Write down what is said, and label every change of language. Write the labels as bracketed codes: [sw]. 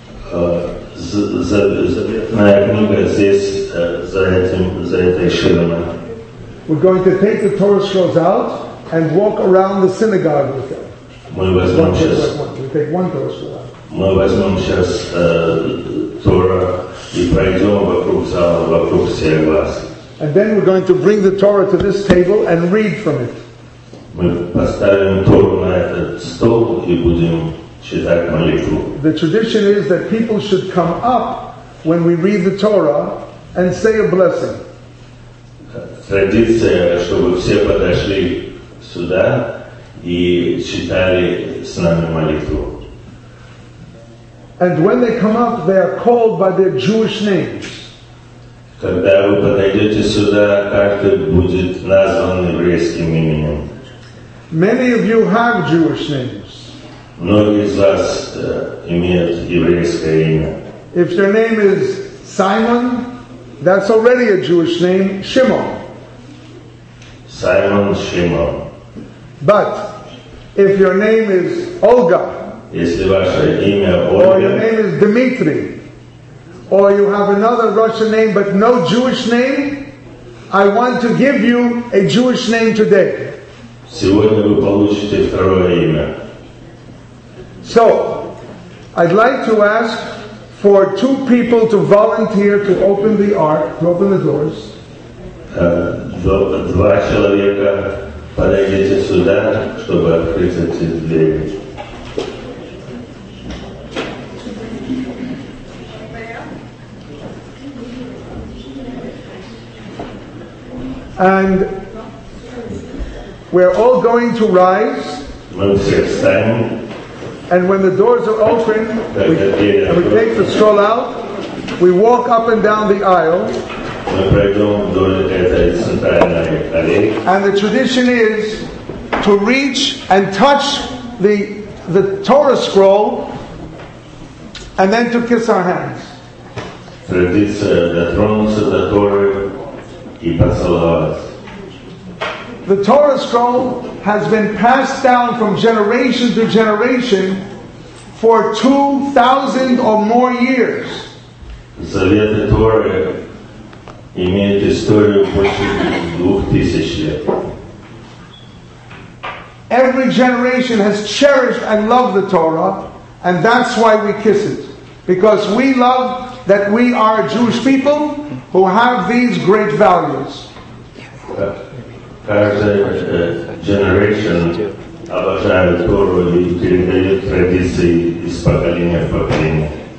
[ru] Заветная книга здесь за этой ширмой. [en] We're going to take the Torah scrolls out and walk around the synagogue with them. [ru] Мы возьмем сейчас Тора и пройдем вокруг зала, вокруг всех вас. [en] And then we're going to bring the Torah to this table and read from it. [ru] Мы поставим Тору на этот стол и будем читать молитву. [en] The tradition is that people should come up when we read the Torah and say a blessing. [ru] Традиция, чтобы все подошли сюда и читали с нами молитву. [en] And when they come up, they are called by their Jewish names. [ru] Когда вы подойдете сюда, каждый будет назван еврейским именем. [en] Many of you have Jewish names. [ru] Многие из вас имеют еврейское имя. [en] If your name is Simon, that's already a Jewish name, Shimon. Simon Shimon. But if your name is Olga, [ru] если ваше имя Ольга, [en] or your name is Dmitry, or you have another Russian name but no Jewish name, I want to give you a Jewish name today. [ru] Сегодня вы получите второе имя. [en] So, I'd like to ask for two people to volunteer to open the ark, to open the doors. [ru] Два человека Подойдите сюда, чтобы открыть эти двери. [en] And we're all going to rise. [ru] Мы все встанем. [en] And when the doors are open, we take the stroll out. We walk up and down the aisle. [ru] Мы пройдем вдоль этой центральной аллеи. [en] And the tradition is to reach and touch the Torah scroll, and then to kiss our hands. [ru] Традиция дотронуться до Торы и поцеловаться. [en] The Torah scroll has been passed down from generation to generation for 2,000 or more years. [ru] Заветы Торы имеют историю больше 2000 лет. [en] Every generation has cherished and loved the Torah, and that's why we kiss it. Because we love that we are a Jewish people who have these great values. [ru] Каждая generation обожает Тору и передает традиции из поколения в поколение.